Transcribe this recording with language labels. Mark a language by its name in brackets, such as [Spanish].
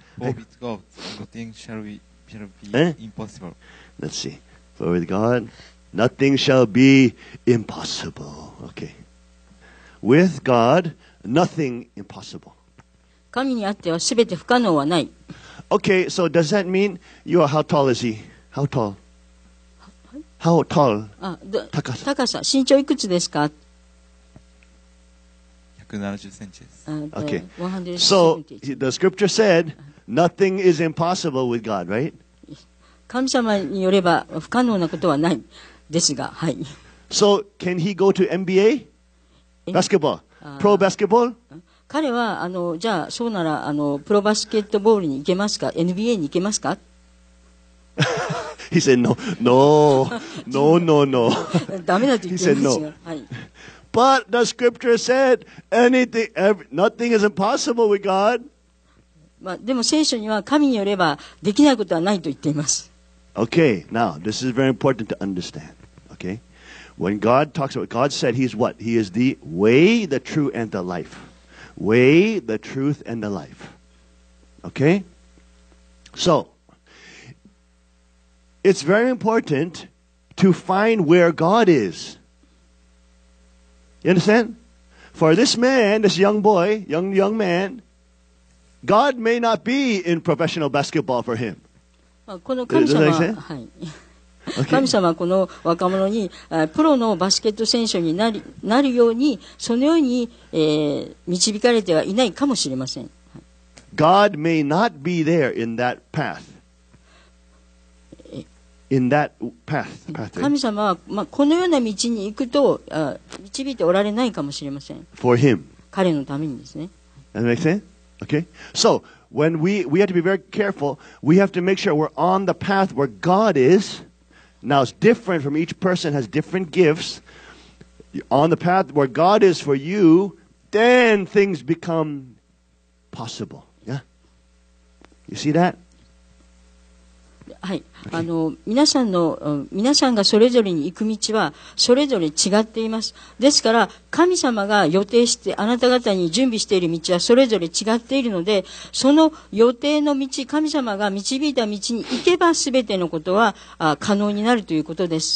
[English] For with God, nothing shall be eh? Impossible. Let's see. For with God, nothing shall be impossible. Okay. With God, nothing impossible. [Japanese] 神にあってはすべて不可能はない。 [English] Okay, so does that mean you are how tall is he? How tall? How tall? [Japanese] 高さ。身長いくつですか 170cm. [English] Okay. So the scripture said, nothing is impossible with God, right? [Japanese] 神様によれば不可能なことはないですが、はい。 [English] So can he go to NBA? Basketball? Pro basketball? [Japanese] 彼はじゃあそうならプロバスケットボールに行けますか ?NBA に行けますか [English] He said no. No. No, no, no. [Japanese] ダメだと言ってますよ。 [English] He said no. But the scripture said anything, nothing is impossible with God. [Japanese] でも聖書には神によればできないことはないと言っています。 [English] Okay, now this is very important to understand. Okay? When God talks about, God said he's what? He is the way, the truth, and the life. Way, the truth, and the life. Okay? So, it's very important to find where God is. You understand? For this man, this young boy, young man, God may not be in professional basketball for him. [Japanese] この神様、はい、神様はこの若者にプロのバスケット選手になるようにそのように、導かれてはいないかもしれません。 [English] God may not be there in that path. In that path. [Japanese] 神様は、このような道に行くと導いておられないかもしれません。 [English] For him. [Japanese] 彼のためにですね。 [English] That makes sense? Okay. So,When we have to be very careful, we have to make sure we're on the path where God is. Now it's different from each person has different gifts. On the path where God is for you, then things become possible. Yeah? You see that? [Japanese] はい。Okay. 皆さんがそれぞれに行く道はそれぞれ違っています。ですから神様が予定してあなた方に準備している道はそれぞれ違っているので、その予定の道、神様が導いた道に行けばすべてのことは可能になるということです。